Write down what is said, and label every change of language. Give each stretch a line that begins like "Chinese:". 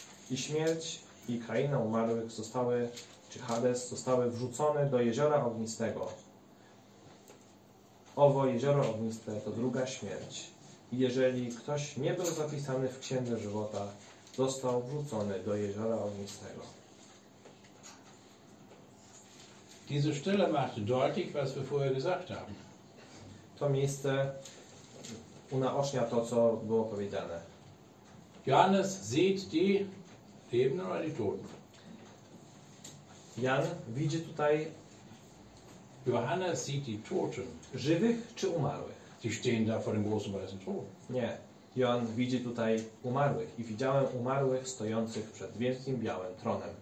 Polish: I śmierć i kraina umarłych zostały, czy Hades, zostały wrzucone do jeziora ognistego. Owo jezioro ogniste to druga śmierć. I jeżeli ktoś nie był zapisany w księdze żywota, został wrzucony do jeziora ognistego.
German: Diese Stelle macht deutlich, was wir vorher gesagt haben.
Polish: To miejsce unaocznia to, co było powiedziane.
German: Johannes sieht die Lebenden oder die Toten.
Polish: Jan widzi tutaj
German: Johannes sieht die Toten.
Polish: Żywych czy umarłych?
German: Sie stehen da vor dem großen weißen Thron.
Polish: Nie. Jan widzi tutaj umarłych. I widziałem umarłych stojących przed wielkim białym tronem.